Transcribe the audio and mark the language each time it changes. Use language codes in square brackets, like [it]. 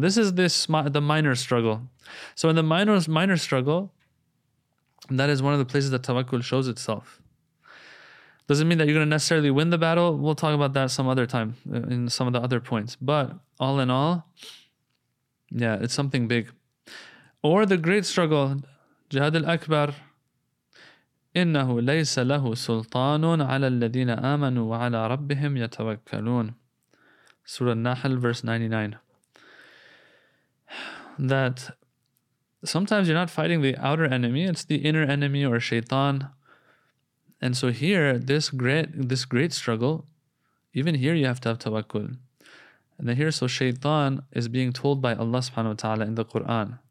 [en] This is the minor struggle. So in the minor struggle, that is one of the places that tawakkul shows itself. Doesn't mean that you're going to necessarily win the battle. We'll talk about that some other time in some of the other points. But all in all, yeah, it's something big. Or the great struggle, [ar] Jihad al-Akbar, إِنَّهُ لَيْسَ لَهُ سُلْطَانٌ عَلَى الَّذِينَ آمَنُوا وَعَلَى رَبِّهِمْ يَتَوَكَّلُونَ. [en] Surah Nahl, verse 99. That sometimes you're not fighting the outer enemy, it's the inner enemy or shaitan. And so here, this great struggle, even here you have to have tawakkul. And then here, so shaitan is being told by Allah subhanahu wa ta'ala in the Quran.